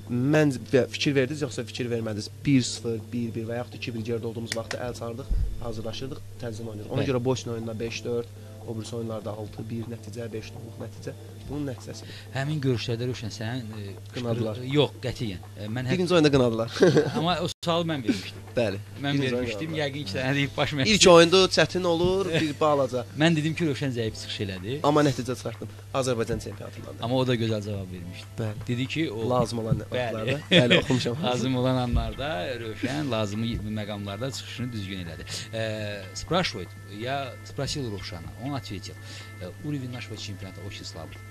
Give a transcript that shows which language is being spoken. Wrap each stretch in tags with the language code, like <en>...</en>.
<az>Mən fikir verdiniz, yoxsa fikir vermədiniz. 1-0, 1-1 və yaxud 2-1 geridə olduğumuz vaxtda əl sardıq, hazırlaşırdıq, tənzim oynayırıq. Ona görə Bosniya oyununda 5-4. O birisi oyunlarda 6-1 nəticə, 5-0 nəticə. Bunun nəticəsi. Həmin görüşlərdə Rövşən sən... Qınadılar. Yox, qətiyyən. Birinci oyunda qınadılar. Amma o sualı mən vermişdim. Bəli. Mən vermişdim, yəqin ki, sənə deyib baş məhsəl. İlk oyunda çətin olur, bir balaca. Mən dedim ki, Rövşən zəif çıxış elədi. Amma nəticə çıxartdım. Azərbaycan çempionatındandır. Amma o da gözəl cavab vermişdi. Bəli. Dedi ki, o... Lazım olan vaxtlarda. Bəli, oxumuşam. Lazım olan anlarda Rövşən lazımı məqamlarda çıxışını düzgün elədi.</az> <ru>Спрашивает, я спросил Рушана, он ответил, уровень нашего чемпионата очень слабый.</ru>